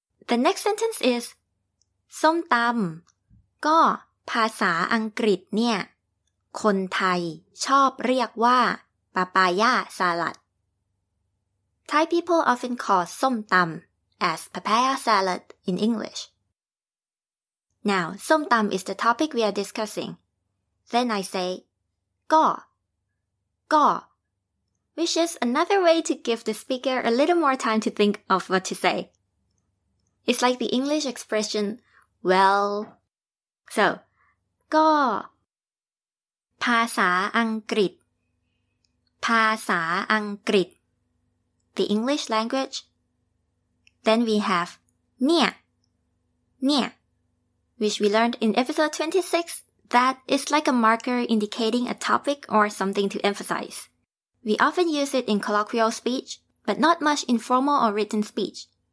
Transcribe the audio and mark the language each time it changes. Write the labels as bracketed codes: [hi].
[en] The next sentence is [th] ส้มตำก็ภาษาอังกฤษเนี่ยคนไทยชอบเรียกว่าปาปายาสลัด [en] Thai people often call ส้มตำ as papaya salad in English Now, ส้มตำ is the topic we are discussingThen I say, ก็, which is another way to give the speaker a little more time to think of what to say. It's like the English expression, well. So, ก็ภาษาอังกฤษภาษาอังกฤษ the English language. Then we have เนี่ย, which we learned in episode 26. That is like a marker indicating a topic or something to emphasize. We often use it in colloquial speech, but not much in formal or written speech.